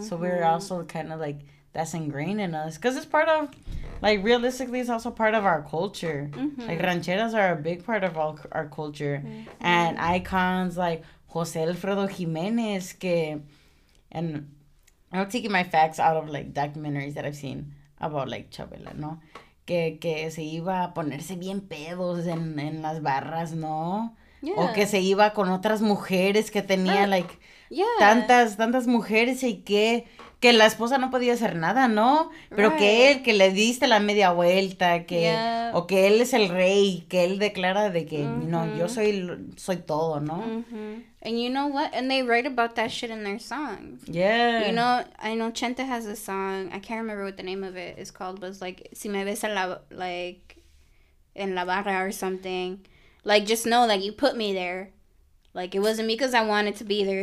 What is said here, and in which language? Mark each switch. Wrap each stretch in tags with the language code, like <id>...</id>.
<en>So we were also kind of like, that's ingrained in us. Because it's part of, like, realistically, it's also part of our culture. Mm-hmm. Like, rancheras are a big part of all our culture. Mm-hmm. And icons like Jose Alfredo Jimenez, que, and I'm taking my facts out of, like, documentaries that I've seen about, like, Chabela, ¿no?</en> <es>Que se iba a ponerse bien pedos en las barras, ¿no? Yeah. O que se iba con otras mujeres que tenía, like, yeah. tantas mujeres y que la esposa no podía hacer nada, ¿no? Pero right. que él, que le diste la media vuelta, que, yeah. o que él es el rey, que él declara de que, mm-hmm. no, yo soy todo, ¿no?</es> <en>Mm-hmm. And you know what? And they write about that shit in their songs. Yeah. You know, I know Chente has a song, I can't remember what the name of it is called, but it's like,</en> <es>si me ves en la barra</es> <en>or something. Like, just know that you put me there. Like, it wasn't because I wanted to be there.</en>